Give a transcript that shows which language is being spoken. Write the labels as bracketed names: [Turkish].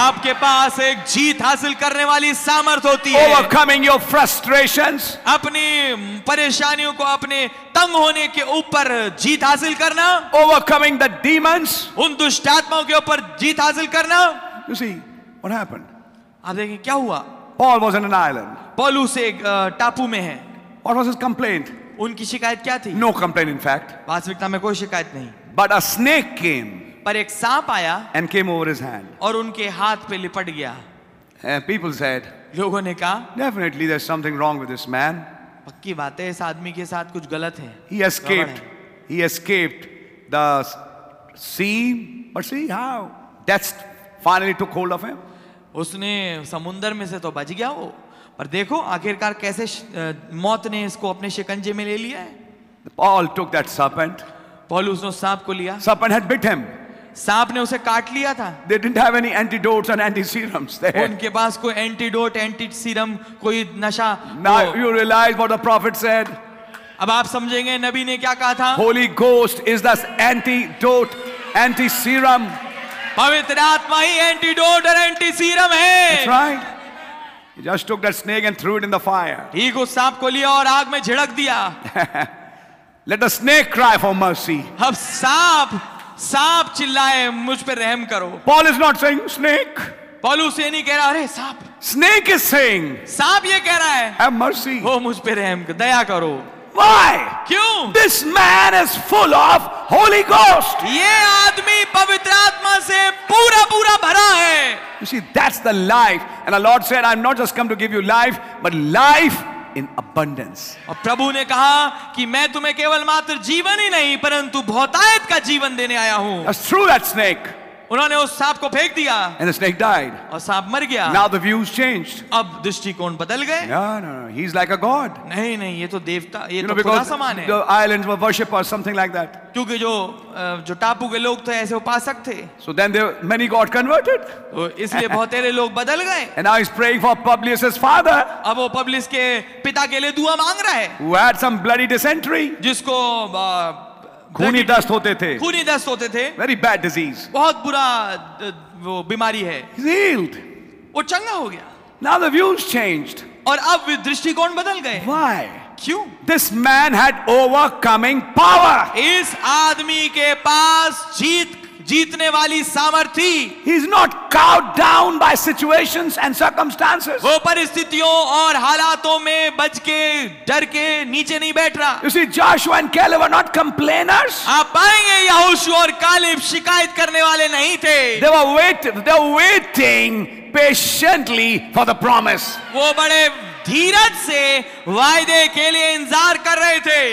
[Hindi] आपके पास एक जीत हासिल करने वाली सामर्थ होती है [English] Overcoming your frustrations, [Hindi] अपनी परेशानियों को अपने तंग होने के ऊपर जीत हासिल करना [English] Overcoming the demons, [Hindi] उन दुष्ट आत्माओं के ऊपर जीत हासिल करना [English] You see, what happened? [Hindi] आप देखें क्या हुआ [English] Paul was in an island. [Hindi] पौलुस एक टापू में है [English] What was his complaint? [Hindi] उनकी शिकायत क्या थी [English] No complaint in fact. [Hindi] वास्तविकता में कोई शिकायत नहीं [English] But a snake came, [Hindi] पर एक सांप आया [English] And came over his hand. [Hindi] और उनके हाथ पे लिपट गया [English] And people said, [Hindi] लोगों ने कहा, [English] Definitely there's something wrong with this man. [Hindi] पक्की बात है इस आदमी के साथ कुछ गलत है. [English] He escaped the sea, but see how death finally took hold of him. [Hindi] उसने समुंदर में से तो बच गया वो, पर देखो आखिरकार कैसे मौत ने इसको अपने शिकंजे में ले लिया है. [English] Paul took that serpent. [Hindi] Paul उसने सांप को लिया. [English] Serpent had bit him. [Hindi] सांप ने उसे काट लिया था [English] They didn't have any antidotes and anti-serums there. [Hindi] उनके पास कोई एंटीडोट एंटीसीरम कोई नशा [English] Now you realize what the prophet said. [Hindi] अब आप समझेंगे नबी ने क्या कहा था [English] Holy Ghost is the antidote, anti-serum. [Hindi] पवित्र आत्मा ही एंटीडोट और एंटीसीरम है [English] That's right. He just took that snake and threw it in the fire. [Hindi] ठीक उस सांप को लिया और आग में झिड़क दिया [English] Let the snake cry for mercy. [Hindi] अब सांप सांप चिल्लाए मुझ पर रहम करो [English] Paul is not saying snake. [Hindi] पौलुस उसे नहीं कह रहा अरे सांप [English] Snake is saying. [Hindi] सांप ये कह रहा है [English] Have mercy. [Hindi] हो मुझ पर रहम कर दया करो [English] Why? [Hindi] क्यों? [English] This man is full of Holy Ghost. [Hindi] ये आदमी पवित्र आत्मा से पूरा पूरा भरा है [English] You see, that's the life. And the Lord said, I'm not just come to give you life, but life in abundance. [Hindi] और प्रभु ने कहा कि मैं तुम्हें केवल मात्र जीवन ही नहीं परंतु बहुतायत का जीवन देने आया हूं. [English] I threw that snake. [Hindi] उन्होंने उस सांप को फेंक दिया. [English] And the snake died. [Hindi] और सांप मर गया. [English] Now the views changed. [Hindi] अब दृष्टिकोण बदल गए. [English] No. He's like a god. [Hindi] नहीं नहीं ये तो देवता ये तो खुदा समान है. [English] The islands were worshippers something like that. [Hindi] क्योंकि जो टापू के लोग थे ऐसे उपासक थे. [English] So then they many got converted. [Hindi] इसलिए बहुतेरे लोग बदल गए. [English] And now he's praying for Publius's father. [Hindi] अब वो पब्लियस के पिता के लिए दुआ मांग रहा है. [English] Who had some bloody dysentery. [Hindi] जिसको खूनी दस्त होते थे खूनी दस्त होते थे [English] very bad disease [Hindi] बहुत बुरा वो बीमारी है [English] He's healed. [Hindi] वो चंगा हो गया [English] Now the views changed. [Hindi] और अब दृष्टिकोण बदल गए [English] Why? [Hindi] क्यों [English] This man had overcoming power. [Hindi] इस आदमी के पास जीत जीतने वाली सामर्थ्य. [English] He is not cowed down by situations and circumstances. [Hindi] वो परिस्थितियों और हालातों में बच के डर के नीचे नहीं बैठ रहा. [English] You see, Joshua and Caleb are not complainers. [Hindi] आप पाएंगे यहोशू और कालेब शिकायत करने वाले नहीं थे. [English] They were waiting patiently for the promise. [Hindi] वो बड़े धीरज से वायदे के लिए इंतजार कर रहे थे.